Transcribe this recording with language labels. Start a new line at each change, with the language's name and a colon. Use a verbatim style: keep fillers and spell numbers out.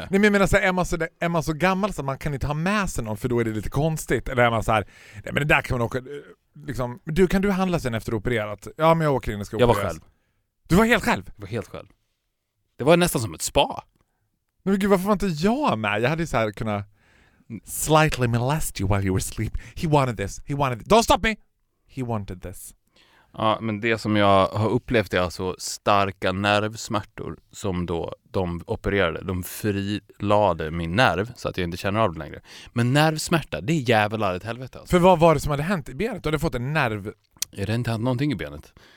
Swedish: Nej, men jag menar så här, är, man så, är man så gammal så man kan inte ha med sig någon för då är det lite konstigt. Eller är man så här, nej, men det där kan man åka... Liksom, du, kan du handla sen efter opererat? Ja, men jag åker in och ska jag opereras. Var själv. Du var helt själv? Jag var helt själv. Det var nästan som ett spa. Men gud, varför var inte jag med? Jag hade ju så här kunnat
English: slightly molest you while you were asleep. He wanted this, he wanted this. Don't stop me! He wanted this.
Swedish: Ja, men det som jag har upplevt är alltså starka nervsmärtor som då de opererade. De frilade min nerv så att jag inte känner av det längre. Men nervsmärta, det är jävlar ett helvete. Alltså. För vad var det som hade hänt i benet? Du hade fått en nerv... Jag hade inte haft någonting i benet.